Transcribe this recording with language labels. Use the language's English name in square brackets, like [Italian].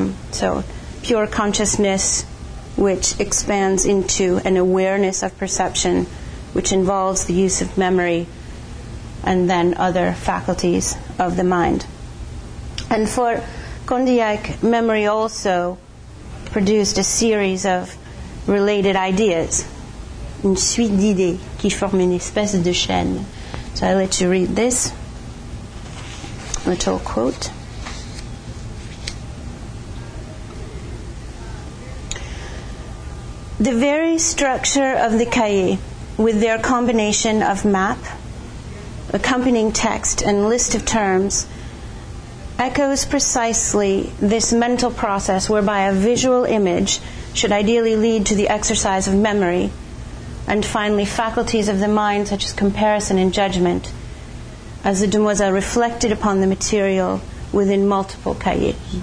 [English] So pure consciousness, which expands into an awareness of perception, which involves the use of memory and then other faculties of the mind. And for Condillac, memory also produced a series of related ideas, [French] une suite d'idées qui forme une espèce de chaîne. [English] So I'll let you read this little quote. The very structure of the cahier, with their combination of map, accompanying text, and list of terms, echoes precisely this mental process whereby a visual image should ideally lead to the exercise of memory, and finally faculties of the mind such as comparison and judgment, as the demoiselle reflected upon the material within multiple cahiers.